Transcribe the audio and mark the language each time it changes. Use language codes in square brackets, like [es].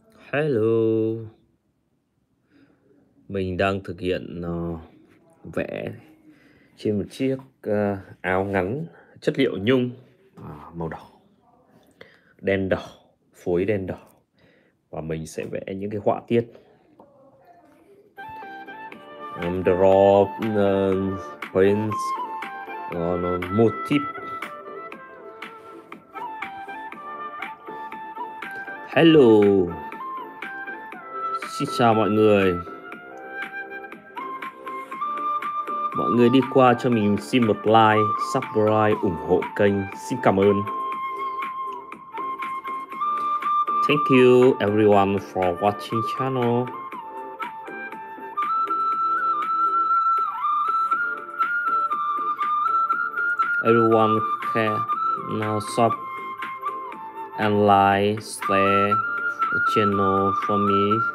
[vi] Hello, mình đang thực hiện vẽ trên một chiếc áo ngắn chất liệu nhung màu đỏ, đen đỏ, phối đen đỏ, và mình sẽ vẽ những cái họa tiết. [en] I'm drawing prints on a motif. Hello. [vi] Xin chào mọi người. Mọi người đi qua cho mình xin một like, subscribe, ủng hộ kênh. Xin cảm ơn. [en] Thank you everyone for watching channel. Everyone can sub and like, share the channel for me.